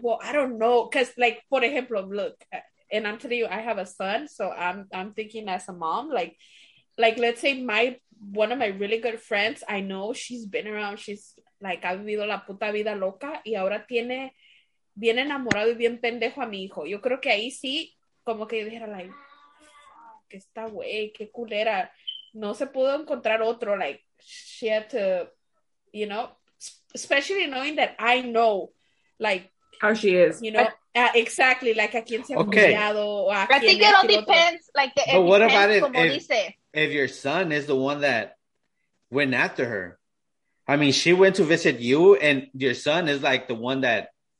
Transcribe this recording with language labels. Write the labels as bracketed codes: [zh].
[en] Well, I don't know, cause like for example, look, and I'm telling you, I have a son, so I'm thinking as a mom, like let's say one of my really good friends, I know she's been around, she's like [es] ha vivido la puta vida loca, y ahora tiene. Bien enamorado y bien pendejo a mi hijo. Yo creo que ahí sí, como que yo dijera, like, que está güey, qué culera. No se pudo encontrar otro, [en] like, she had to, you know, especially knowing that I know, like, how she is. You know, exactly, [es] like, a quién se ha cuidado. [en] I think it all depends, But what about it? If your son is the one that went after her, I mean, she went to visit you, and your son is like the one that.